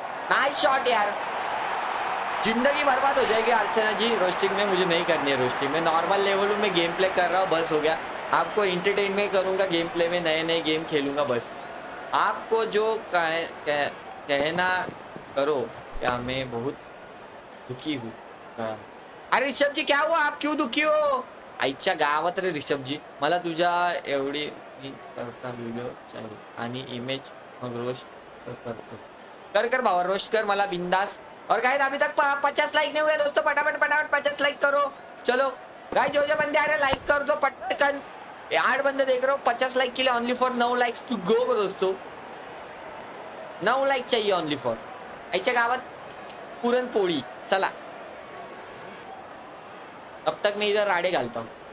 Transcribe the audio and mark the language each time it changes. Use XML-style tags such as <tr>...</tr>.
<hi>Nice shot यार, जिंदगी बर्बाद हो जाएगी अर्चना जी रोस्टिंग में, मुझे नहीं करनी है रोस्टिंग में, नॉर्मल लेवल में गेम प्ले कर रहा हूँ बस हो गया, आपको एंटरटेनमेंट करूंगा गेम प्ले में, नए नए गेम खेलूंगा बस, आपको जो कहना करो। क्या मैं बहुत दुखी हूँ? अरे ऋषभ जी क्या हुआ, आप क्यों दुखी हो?</hi> <mr>आईच्या गावात रे ऋषभ जी, मला तुझा एवढी मी करता व्हिडिओ चाहिए आणि इमेज मग रोस्ट करतो, कर कर भावा रोस्ट कर मला बिंदास।</mr> <hi>और गाइस अभी तक 50 लाइक नहीं हुए दोस्तों, फटाफट फटाफट 50 लाइक करो। चलो गाइस जो जो बंदे आ रहे हैं लाइक कर दो पटकन, 8 बंदे देख रहे हो, 50 लाइक के लिए only for 9 likes to go दोस्तों, 9 लाइक चाहिए ओनली फॉर।</hi> <mr>आईच्या गावात पुरणपोळी,</mr> <hi>चला अब तक मैं इधर राडे घालता हूँ।</hi>